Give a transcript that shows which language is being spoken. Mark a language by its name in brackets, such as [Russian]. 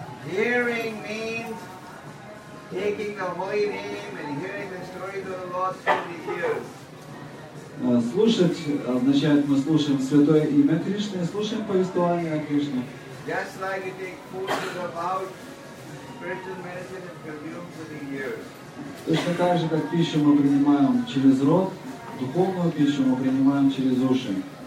[English] Hearing means taking the holy name and hearing the stories of the lost through the ears. [Russian] Слушать означает мы слушаем святое имя Кришны, слушаем повествование о Кришне. [English] Just like you take food to the mouth, [Russian] То есть такая же, как пищу мы принимаем через рот, духовную пищу мы принимаем через уши.